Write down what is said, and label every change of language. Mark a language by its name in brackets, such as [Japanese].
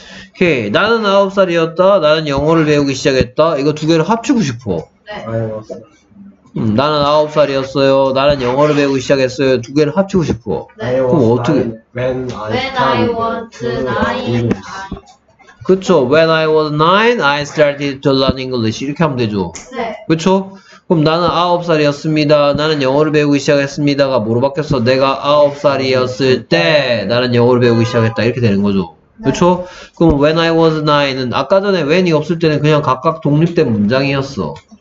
[Korean] 오케이 나는 9살이었다 나는 영어를 배우기 시작했다 이거 두 개를 합치고 싶어 나는 9살이었어요 나는 영어를 배우기 시작했어요 두 개를 합치고 싶어 그럼 어떻게 [English] When I was 9 [Korean] 그쵸. [English] When I was 9, I started to learn English. [Korean] 이렇게 하면 되죠. 네. 그쵸? 그럼 나는 9살이었습니다. 나는 영어를 배우기 시작했습니다가 뭐로 바뀌었어? 내가 9살이었을 때 나는 영어를 배우기 시작했다. 이렇게 되는 거죠. 네. 그쵸? 그럼 [English] When I was 9 [Korean] 은 아까 전에 When이 없을 때는 그냥 각각 독립된 문장이었어.